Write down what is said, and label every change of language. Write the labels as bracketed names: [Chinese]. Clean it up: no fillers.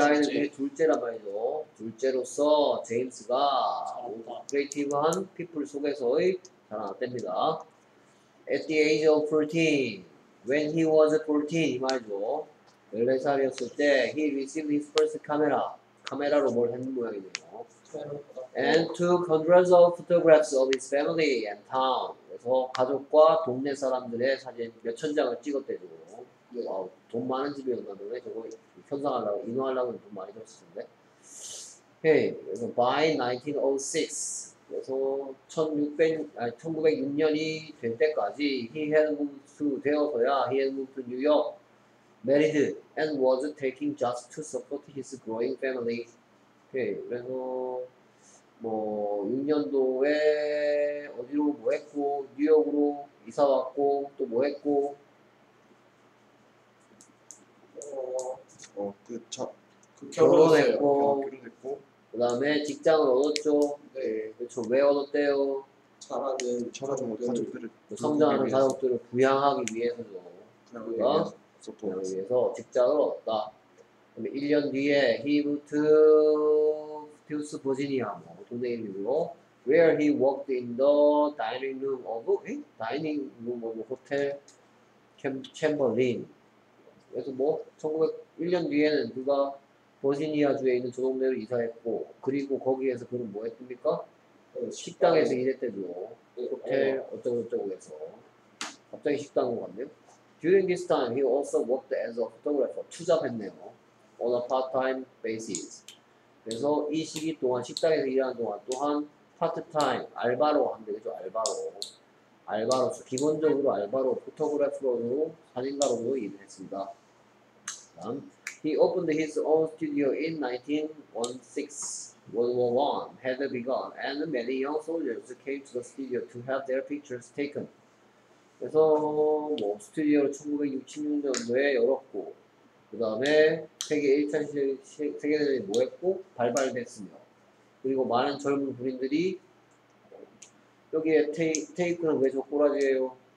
[Korean] 아이는 제 둘째란 말이죠. 둘째로서 제임스가 크리에이티브한 피플 속에서의 자라났답니다. [English] At the age of 14, when he was 14, [Korean] 이 말이죠. 14살이었을 때 [English] he received his first camera. [Korean] 카메라로 뭘 했는 모양이네요. [English] And took hundreds of photographs of his family and town. [Korean] 그래서 가족과 동네 사람들의 사진 몇천 장을 찍었대죠. 예. 와, 돈 많은 집이었나 보네. 저거 현상하려고 인화하려고 돈 많이 들었었는데. [English] Hey, 그래서 by 1906, [Korean] 그래서 1906년이 될 때까지 [English] he had moved to [Korean] 되어서야 [English] he had moved to New York. Married and was taking jobs to support his growing family. [Korean] Okay, 그래서 뭐 6년도에 어디로 뭐 했고 뉴욕으로 이사 왔고 또 뭐 했고 그 결혼했고, 결혼했고 그 다음에 직장을 얻었죠. 네. 그쵸. 왜 얻었대요? 자라는 가족들을 성장하는 가족들을 부양하기 위해서죠. 부양하기 위해서 직장을 얻었다. 그다음에 1년 뒤에 [English] he moved to [Korean] 퓨스 버지니아 동네 이름으로 [English] where he worked in the dining room of [Korean] 에이? [English] dining room of hotel Chamberlain. [Korean] 그래서 뭐 1901년 뒤에는 누가 버지니아주에 있는 저 동네로 이사했고 그리고 거기에서 그는 뭐 했습니까? 식당에서 일했대죠. 호텔 어쩌고저쩌고 해서 갑자기 식당으로 갔네요. [English] During this time he also worked as a photographer. [Korean] 투잡했네요. [English] On a part-time basis. [Korean] 그래서 이 시기 동안 식당에서 일하는 동안 또한 파트타임 알바로 하면 되겠죠. 알바로서 기본적으로 알바로 포토그래퍼로 사진가로도 일을 했습니다. [English] 다음 he opened his own studio in 1916 World War I had begun and many young soldiers came to the studio to have their pictures taken. [Korean] 그래서 뭐 스튜디오를 1916년도에 열었고 그 다음에 세계 1차 세계대전이 뭐했고 발발됐으며 그리고 많은 젊은 군인들이 여기에 테이크는 왜 저 꼬라지예요?